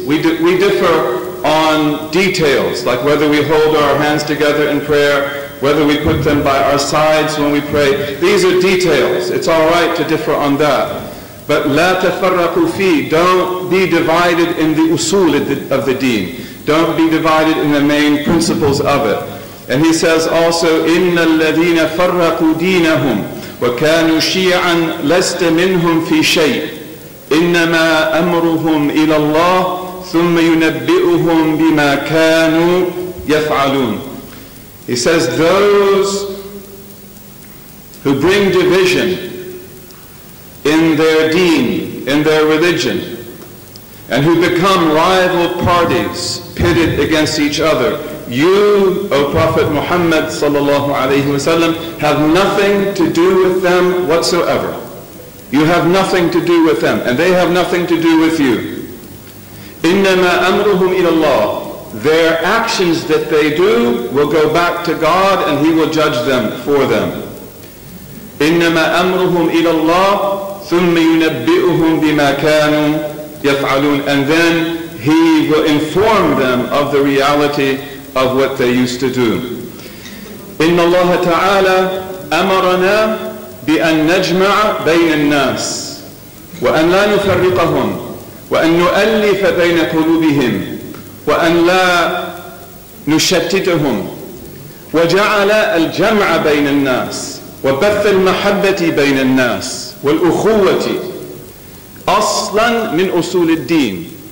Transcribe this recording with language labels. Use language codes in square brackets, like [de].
[en] We differ on details, like whether we hold our hands together in prayer, whether we put them by our sides when we pray. These are details. It's all right to differ on that. But [ar] لا تفرقوا فيه, [en] don't be divided in the usul of the deen. Don't be divided in the main principles of it. And he says also, [ar] إِنَّ الَّذِينَ فَرَّقُوا دِينَهُمْ وَكَانُوا شِيعًا لَسْتَ مِنْهُمْ فِي شَيْءٍ إِنَّمَا أَمْرُهُمْ إِلَى اللَّهِ ثُمَّ يُنَبِّئُهُمْ بِمَا كَانُوا يَفْعَلُونَ. [en] He says, those who bring division in their deen, in their religion, and who become rival parties pitted against each other, you, O Prophet Muhammad sallallahu alayhi wa sallam, have nothing to do with them whatsoever. You have nothing to do with them, and they have nothing to do with you. [ar] إِنَّمَا أَمْرُهُمْ إِلَى اللَّهِ. [en] Their actions that they do will go back to God, and He will judge them for them. [ar] إِنَّمَا أَمْرُهُمْ إِلَى اللَّهِ ثُمَّ يُنَبِّئُهُمْ بِمَا كَانُوا يَفْعَلُونَ. [en] And then He will inform them of the reality of what they used to do. [ar] إن الله تعالى أمرنا بأن نجمع بين الناس وأن لا نفرقهم وأن نؤلف بين قلوبهم وأن لا نشتتهم، وجعل الجمع بين الناس وبث المحبة بين الناس والأخوة أصلا من أصول الدين.